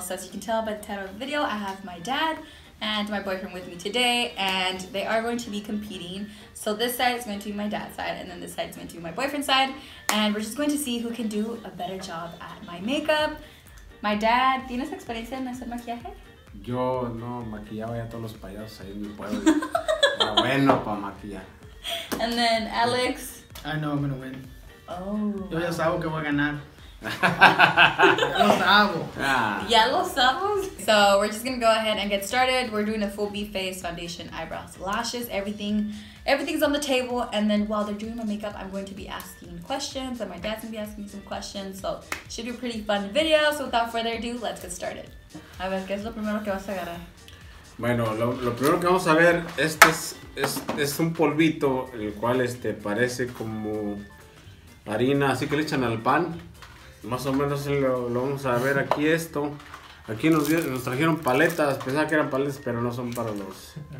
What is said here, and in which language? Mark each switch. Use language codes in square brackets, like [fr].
[en] So as you can tell by the title of the video, I have my dad and my boyfriend with me today, and they are going to be competing. So this side is going to be my dad's side, and then this side is going to be my boyfriend's side, and we're just going to see who can do a better job at my makeup. My dad, [es] ¿tienes experiencia en hacer maquillaje? Yo no maquillaba ya todos los payasos ahí en mi pueblo. Bueno, para maquillar. [en] And then Alex. I know I'm gonna win. Oh. [es] Yo ya sabo que voy a ganar. Ya lo sabo. Ya lo sabo. [en] So we're just gonna go ahead and get started. We're doing a full B face, foundation, eyebrows, lashes, everything. Everything's on the table. And then while they're doing my makeup, I'm going to be asking questions, and my dad's gonna be asking me some questions. So should be a pretty fun video. So without further ado, let's get started. [es] A ver, ¿qué es lo primero que vas a agarrar? Bueno, lo primero que vamos a ver, este es un polvito, el cual parece como harina, así que le echan al pan. Más o menos lo vamos a ver aquí esto. Aquí nos trajeron paletas, pensaba que eran paletas, pero no son para los...